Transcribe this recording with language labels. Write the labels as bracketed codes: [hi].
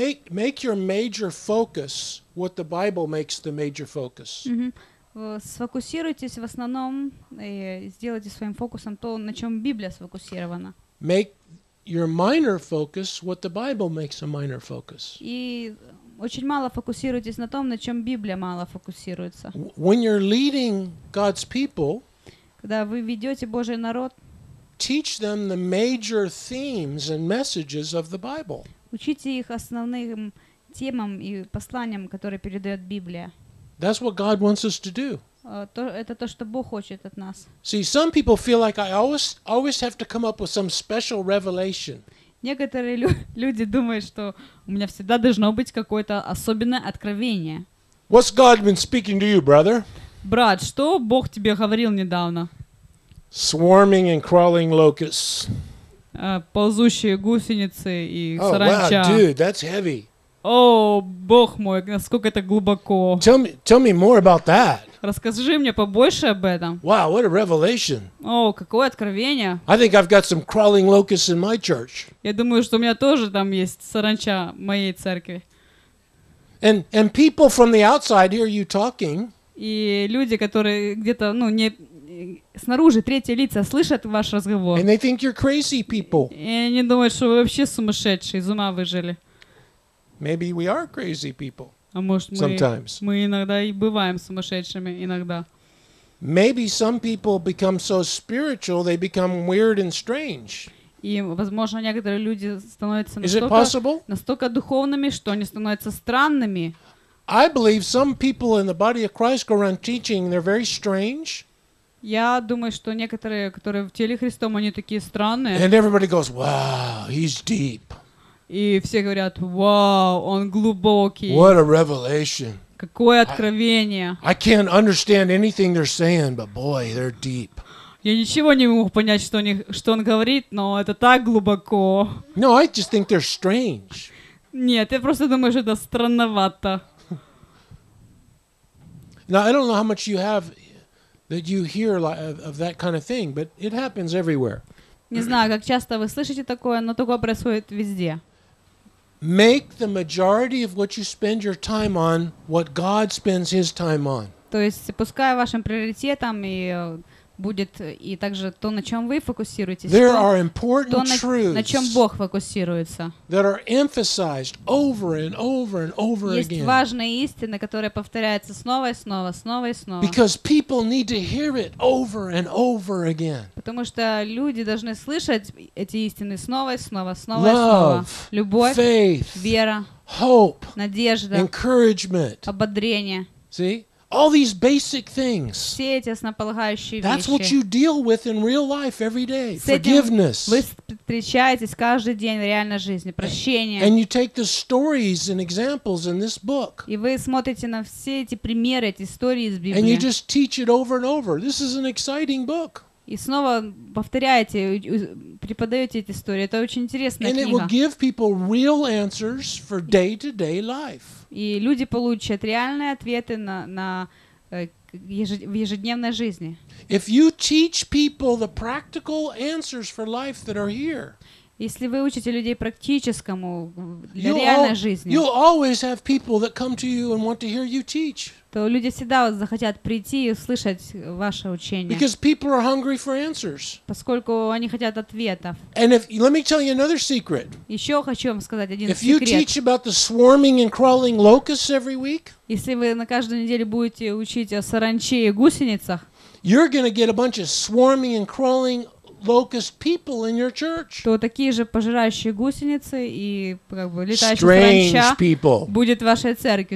[en] Make your major focus what the Bible makes the major focus. [ru] Сфокусируйтесь в основном и сделайте своим фокусом то, на чем Библия сфокусирована. [en] Make your minor focus what the Bible makes a minor focus. [ru] И очень мало фокусируйтесь на том, на чем Библия мало фокусируется. [en] When you're leading God's people, [ru] когда вы ведете Божий народ, [en] teach them the major themes and messages of the Bible. [ru] Учите их основным темам и посланиям, которые передает Библия. [en] That's what God wants us to do. [ru] Это то, что Бог хочет от нас. [en] See, some people feel like I always have to come up with some special revelation. [ru] Некоторые люди думают, что у меня всегда должно быть какое-то особенное откровение. [en] What's God been speaking to you, brother? [ru] Брат, что Бог тебе говорил недавно? [en] Swarming and crawling locusts. [ru] Ползущие гусеницы и саранча. [en] Oh, wow, dude, that's heavy. [ru] О, Бог мой, насколько это глубоко. [en] Tell me more about that. [ru] Расскажи мне побольше об этом. [en] Wow, what a revelation. [ru] О, какое откровение. [en] I think I've got some crawling locusts in my church. [ru] Я думаю, что у меня тоже там есть саранча в моей церкви. [en] And people from the outside hear you talking. [ru] И люди, которые где-то, ну, не снаружи, третьи лица, слышат ваш разговор. [en] And they think you're crazy people. [ru] И они думают, что вы вообще сумасшедшие, из ума выжили. [en] Maybe we are crazy people. [ru] А может, [en] sometimes. [ru] Мы иногда и бываем сумасшедшими иногда. [en] Maybe some people become so spiritual they become weird and strange. [ru] И возможно, некоторые люди становятся настолько духовными, что они становятся странными. [en] I believe some people in the body of Christ go around teaching they're very strange. [ru] Я думаю, что некоторые, которые в теле Христом, они такие странные. [en] And everybody goes, "Wow, he's deep." [ru] И все говорят, вау, он глубокий. [en] What a revelation. [ru] Какое откровение. [en] I can't understand anything they're saying, but boy, they're deep. [ru] Я ничего не могу понять, что он говорит, но это так глубоко. [en] No, I just think they're strange. [ru] Нет, я просто думаю, что это странновато. [en] Now, I don't know how much you have that you hear of that kind of thing, but it happens everywhere. [ru] Не знаю, как часто вы слышите такое, но такое происходит везде. [en] Make the majority of what you spend your time on what God spends His time on. [ru] То есть пускай вашим приоритетом и будет и также то, на чем вы фокусируетесь. [en] There are important truths. [ru] На чем Бог фокусируется. [en] That are emphasized over and over and over again. [ru] Есть важные истины, которые повторяются снова и снова, снова и снова. [en] Because people need to hear it over and over again. [ru] Потому что люди должны слышать эти истины снова и снова, снова и снова. Любовь, [en] faith, [ru] вера, [en] hope, [ru] надежда, [en] encouragement, [ru] ободрение. [en] See? All these basic things. [ru] Все эти основополагающие вещи. [en] That's what you deal with in real life every day. Forgiveness. [ru] Вы встречаетесь каждый день в реальной жизни. Прощение. [en] And you take the stories and examples in this book. [ru] И вы смотрите на все эти примеры, эти истории из Библии. [en] And you just teach it over and over. This is an exciting book. [ru] И снова повторяете, преподаете эти истории. Это очень интересная книга. [en] And it will give people real answers for day-to-day life. [ru] И люди получат реальные ответы на в ежедневной жизни. [en] If you teach people the practical answers for life that are here. [ru] Если вы учите людей практическому для реальной жизни. [en] You always have people that come to you and want to hear you teach. [ru] То люди всегда захотят прийти и услышать ваше учение. [en] Because people are hungry for answers. [ru] Поскольку они хотят ответов. [en] And if let me tell you another secret. [ru] Еще хочу вам сказать один секрет. [en] If you teach about the swarming and crawling locusts every week. [ru] Если вы на каждую неделю будете учить о саранче и гусеницах. [en] You're going to get a bunch of swarming and crawling locust people in your church. [ru] То такие же пожирающие гусеницы и как бы летающая саранча будет в вашей церкви.